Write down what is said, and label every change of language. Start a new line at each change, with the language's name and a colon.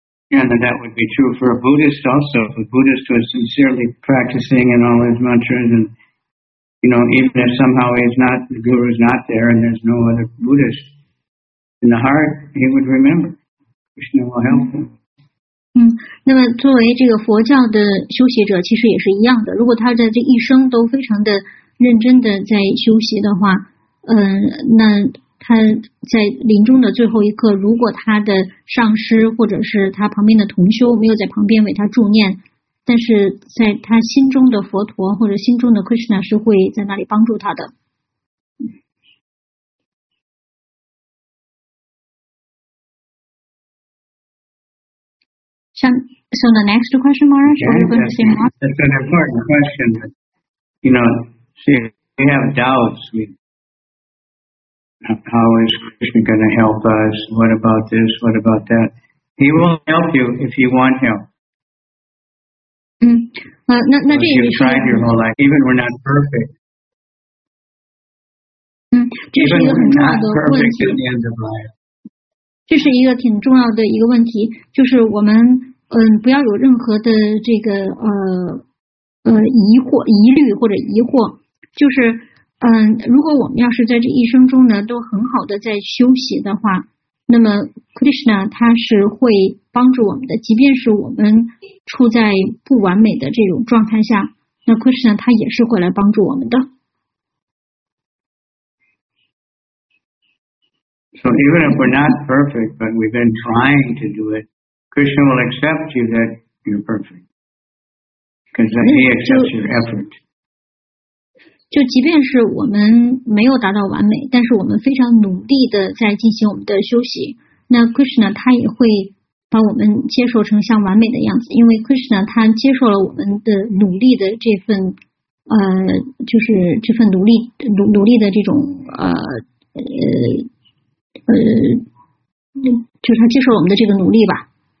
English: And that would be true for a Buddhist also. If a Buddhist was sincerely practicing in all his mantras, and, you know, even if somehow he's not, the guru is not there and there's no other Buddhist in the heart, he would remember. Krishna will help him.
Chinese: 那么作为这个佛教的修习者其实也是一样的。如果他在这一生都非常的认真的在修习的话，那他在临终的最后一刻，如果他的上师或者是他旁边的同修没有在旁边为他助念，但是在他心中的佛陀或者心中的 Krishna 是会在那里帮助他的。
English: So the next question, Maharaj, are you going to say more? That's an important question. You know, see, we have doubts. How is Krishna going to help us? What about this? What about that? He will help you if you want him. If you've tried your whole life, even we're not perfect. Even we're not perfect at the end of life.
Chinese: 这是一个挺重要的一个问题，就是我们不要有任何的这个疑虑或者疑惑，就是。如果我们要是在这一生中呢都很好的在修习的话，那么 Krishna 他是会帮助我们的，即便是我们处在不完美的这种状态下，那 Krishna 他也是会来帮助我们的。
English: So even if we're not perfect but we've been trying to do it, Krishna will accept you that you're perfect because he accepts your effort.
Chinese: 就即便是我们没有达到完美，但是我们非常努力的在进行我们的修习，那 Krishna 他也会把我们接受成像完美的样子，因为 Krishna 他接受了我们的努力的这份就是这份努力的这种就是他接受我们的这个努力吧。